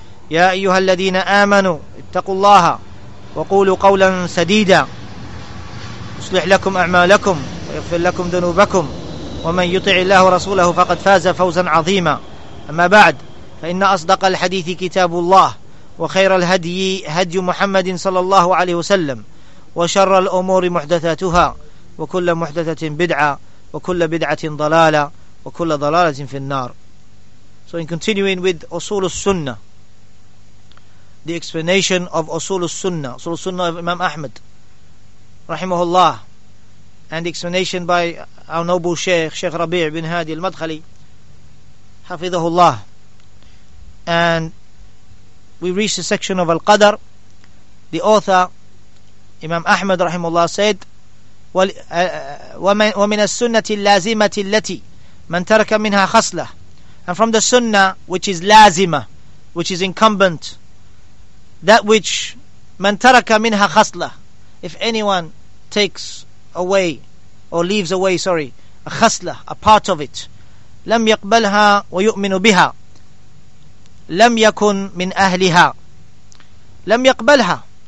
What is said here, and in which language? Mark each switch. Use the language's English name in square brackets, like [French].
[Arabic] يا أيها الذين آمنوا اتقوا الله وقولوا قولا سديدا يصلح لكم أعمالكم ويغفر لكم ذنوبكم، ومن يطع الله ورسوله فقد فاز فوزا عظيما. أما بعد، فإن أصدق الحديث كتاب الله، وخير الهدي هدي محمد صلى الله عليه وسلم، وشر الأمور محدثاتها، وكل محدثة بدعة، وكل بدعة ضلالة، وكل ضلالة في النار. [English] So in continuing with أصول السنة, the explanation of أصول السنة, أصول السنة of Imam Ahmad رحمه الله, and explanation by our noble Sheikh, Sheikh Rabi' bin Hadi al-Madkhali, Hafidhahullah. And we reached the section of Al-Qadr. The author, Imam Ahmad rahimahullah, said, [Arabic] وَمِنَ السُّنَّةِ اللَّازِمَةِ الَّتِي مَنْ تَرَكَ مِنْهَا خَصْلَةِ. [English] And from the sunnah, which is lazima, which is incumbent, that which [Arabic] مَنْ تَرَكَ مِنْهَا خَصْلَةِ, [English] if anyone takes away or leaves away, sorry, a khasla, a part of it, [Arabic] لَمْ يَقْبَلْهَا وَيُؤْمِنُ بِهَا لَمْ يَكُنْ مِنْ أَهْلِهَا لَمْ يَقْبَلْهَا.